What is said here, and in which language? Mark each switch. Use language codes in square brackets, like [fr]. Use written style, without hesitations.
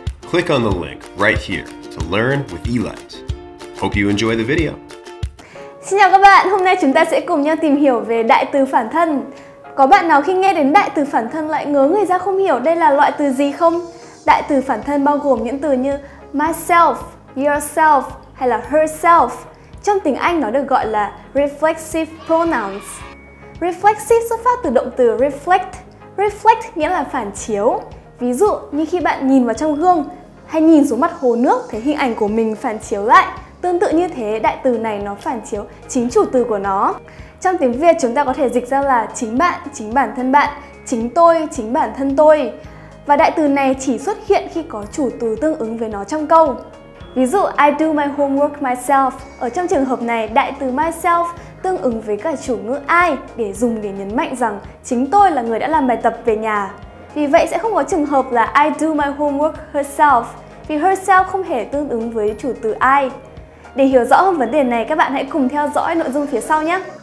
[en] Click on the link right here to learn with Elite. Hope you enjoy the video. [vi] Xin chào các bạn, hôm nay chúng ta sẽ cùng nhau tìm hiểu về đại từ phản thân. Có bạn nào khi nghe đến đại từ phản thân lại ngớ người ra không hiểu đây là loại từ gì không? Đại từ phản thân bao gồm những từ như myself, yourself hay là herself. Trong tiếng Anh nó được gọi là reflexive pronouns. Reflexive xuất phát từ động từ reflect. Reflect nghĩa là phản chiếu. Ví dụ như khi bạn nhìn vào trong gương hay nhìn xuống mặt hồ nước thấy hình ảnh của mình phản chiếu lại. Tương tự như thế, đại từ này nó phản chiếu chính chủ từ của nó. Trong tiếng Việt chúng ta có thể dịch ra là chính bạn, chính bản thân bạn, chính tôi, chính bản thân tôi. Và đại từ này chỉ xuất hiện khi có chủ từ tương ứng với nó trong câu. Ví dụ, [en] I do my homework myself. [vi] Ở trong trường hợp này, đại từ myself tương ứng với cả chủ ngữ I để dùng để nhấn mạnh rằng chính tôi là người đã làm bài tập về nhà. Vì vậy sẽ không có trường hợp là [en] I do my homework herself [vi] vì herself không hề tương ứng với chủ từ I. Để hiểu rõ hơn vấn đề này, các bạn hãy cùng theo dõi nội dung phía sau nhé.